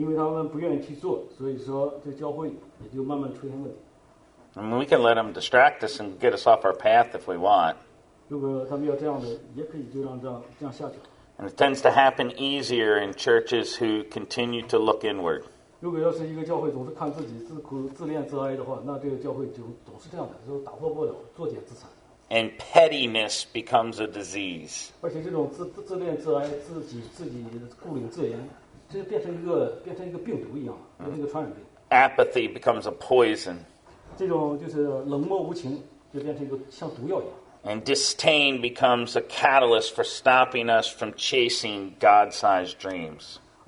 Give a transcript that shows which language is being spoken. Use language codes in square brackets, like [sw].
[zh] 因为他们不愿意去做，所以说这教会也就慢慢出现问题。 [en] I mean, we can let them distract us and get us off our path if we want. [zh] 如果他们要这样的，也可以就让这样下去。 [en] And it tends to happen easier in churches who continue to look inward. [zh] 如果要是一个教会总是看自己自苦自恋自哀的话，那这个教会就总是这样的，就打破不了，作茧自残。 [en] And pettiness becomes a disease. [zh] 而且这种自恋自哀，自己顾虑自怜，这变成一个病毒一样，变成一个传染病。 [en] Apathy becomes a poison. [zh] 这种就是冷漠无情，就变成一个像毒药一样。 [en] And disdain becomes a catalyst for stopping us from chasing God-sized dreams.